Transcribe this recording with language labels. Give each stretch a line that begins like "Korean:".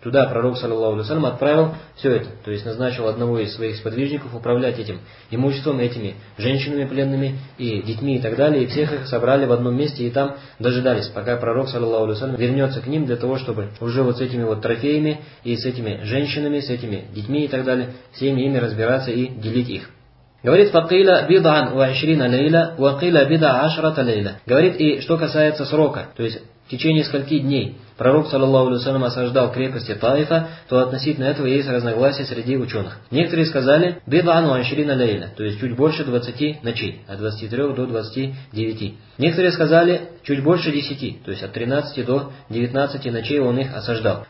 Russian: Туда пророк, саллаллаху алейхи ва саллям, отправил все это. То есть назначил одного из своих сподвижников управлять этим имуществом, этими женщинами пленными и детьми и так далее. И всех их собрали в одном месте и там дожидались, пока пророк, саллаллаху алейхи ва саллям, вернется к ним, для того, чтобы уже вот с этими вот трофеями и с этими женщинами, с этими детьми и так далее, всеми ими разбираться и делить их. Говорит,
Arabic: فَقِيلَ بِضْعًا وَعِشْرِينَ لَيْلًا وَقِيلَ بِضْعَ عَشْرَةَ لَيْلًا.
Russian: Говорит, и что касается срока, то есть в течение скольки дней пророк, саллаллаху алейхи ва саллям, осаждал крепости Таифа, то относительно этого есть разногласия среди ученых. Некоторые сказали
Arabic: «бидъан ва ашрина лейля»,
Russian: то есть чуть больше 20 ночей, от 23 до 29. Некоторые сказали «чуть больше 10, то есть от 13 до 19 ночей он их осаждал.